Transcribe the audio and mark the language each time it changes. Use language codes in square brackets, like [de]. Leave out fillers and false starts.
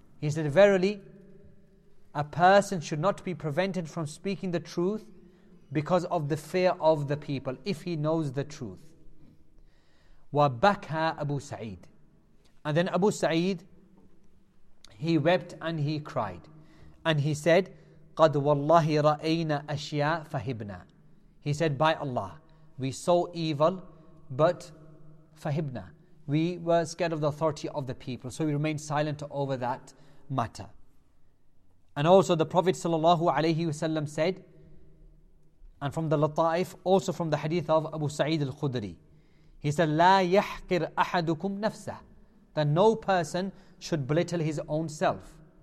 [en] He said, verily, a person should not be prevented from speaking the truth because of the fear of the people, if he knows the truth. [ar] Wa baka Abu Sa'id. [en] And then Abu Sa'id, he wept and he cried. And he said, [ar] قَدْ وَاللَّهِ رَأَيْنَا أَشْيَاءَ فَهِبْنَا. [en] He said, by Allah, we saw evil, but فَهِبْنَا, we were scared of the authority of the people, so we remained silent over that matter. And also the Prophet sallallahu alayhi wasallam said, and from the lata'if, also from the hadith of Abu Sa'id al-Khudri, he said, [ar] لَا يَحْقِرْ أَحَدُكُمْ نَفْسَهُ, [en] that no person should belittle his own self.